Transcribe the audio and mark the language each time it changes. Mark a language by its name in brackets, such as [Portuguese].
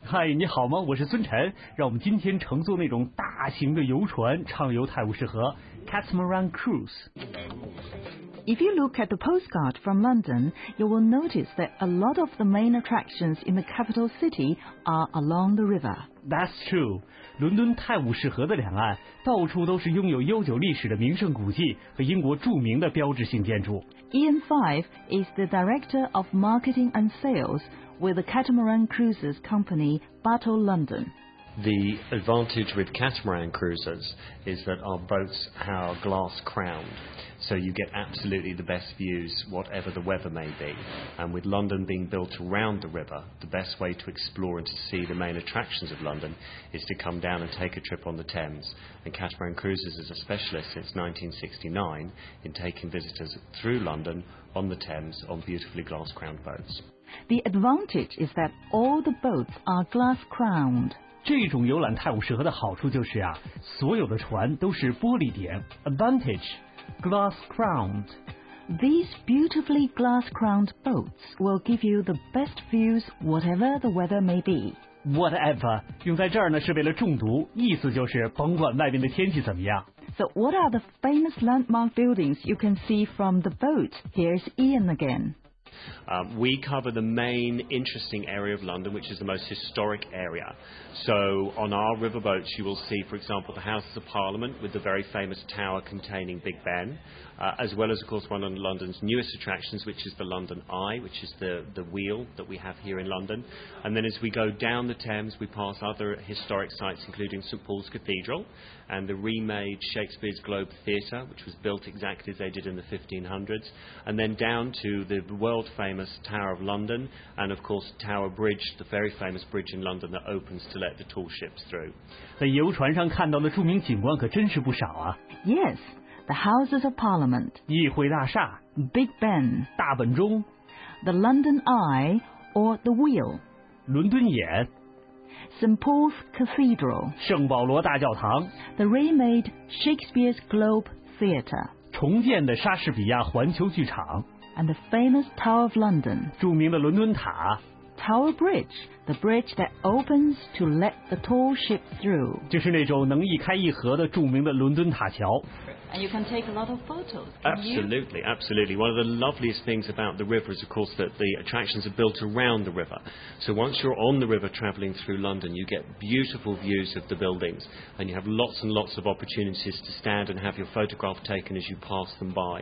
[Chinese] Hi, 你好吗？我是孙晨。让我们今天乘坐那种大型的游船畅游泰晤士河 [English] catamaran cruise. If you look at the postcard from London, you will notice that a lot of the main attractions in the capital city are along the river. That's true. [Chinese] 伦敦泰晤士河的两岸到处都是拥有悠久历史的名胜古迹和英国著名的标志性建筑。 [English] Ian Fife is the Director of Marketing and Sales with the catamaran cruises company Bartol London. The advantage with catamaran cruisers is that our boats are glass crowned, so you get absolutely the best views whatever the weather may be. And with London being built around the river, the best way to explore and to see the main attractions of London is to come down and take a trip on the Thames. And catamaran cruisers is a specialist since 1969 in taking visitors through London on the Thames on beautifully glass-crowned boats. The advantage is that all the boats are glass-crowned. [Chinese] 这种游览泰晤士河的好处就是啊，所有的船都是玻璃点。 [English] Advantage, glass crowned. These beautifully glass crowned boats will give you the best views whatever the weather may be. [Chinese] Whatever 用在这儿呢，是为了中毒，意思就是甭管外面的天气怎么样。 [English] So what are the famous landmark buildings you can see from the boat? Here's Ian again. We cover the main interesting area of London, which is the most historic area. So on our riverboats, you will see, for example, the Houses of Parliament with the very famous tower containing Big Ben, as well as, of course, one of London's newest attractions, which is the London Eye, which is the wheel that we have here in London. And then as we go down the Thames, we pass other historic sites, including St. Paul's Cathedral and the remade Shakespeare's Globe Theatre, which was built exactly as they did in the 1500s, and then down to the world famous Tower of London, and of course Tower Bridge, the very famous bridge in London that opens to let the tall ships through. [Chinese] 在游船上看到的著名景观可真是不少啊。 [English] Yes, the Houses of Parliament. [Chinese] 议会大厦。 [English] Big Ben. [Chinese] 大本钟。 [English] The London Eye, or the Wheel. [Chinese] 伦敦眼。 [English] St. Paul's Cathedral. [Chinese] 圣保罗大教堂。 [English] The remade Shakespeare's Globe Theatre. [Chinese] 重建的莎士比亚环球剧场。 [English] And the famous Tower of London. [Chinese] 著名的伦敦塔。 [English] Tower Bridge, the bridge that opens to let the tall ship through. [Chinese] 就是那种能一开一合的著名的伦敦塔桥。 [English] And you can take a lot of photos, can absolutely, you? Absolutely. One of the loveliest things about the river is, of course, that the attractions are built around the river. So once you're on the river travelling through London, you get beautiful views of the buildings, and you have lots and lots of opportunities to stand and have your photograph taken as you pass them by.